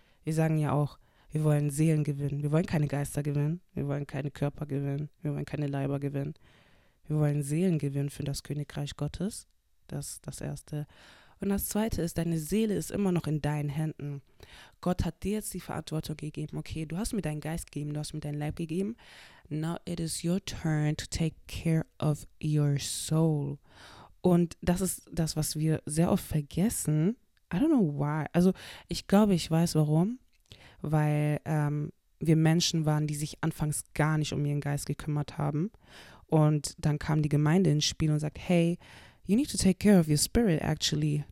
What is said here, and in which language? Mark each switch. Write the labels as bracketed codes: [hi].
[de] Wir sagen ja auch, wir wollen Seelen gewinnen, wir wollen keine Geister gewinnen, wir wollen keine Körper gewinnen, wir wollen keine Leiber gewinnen. Wir wollen Seelen gewinnen für das Königreich Gottes, das ist das Erste. Und das Zweite ist, deine Seele ist immer noch in deinen Händen. Gott hat dir jetzt die Verantwortung gegeben, okay, du hast mir deinen Geist gegeben, du hast mir deinen Leib gegeben. [en] Now it is your turn to take care of your soul. [de] Und das ist das, was wir sehr oft vergessen. [en] I don't know why. [de] Also ich glaube, ich weiß warum, weil wir Menschen waren, die sich anfangs gar nicht um ihren Geist gekümmert haben. Und dann kam die Gemeinde ins Spiel und sagt, hey, [en] you need to take care of your spirit, actually.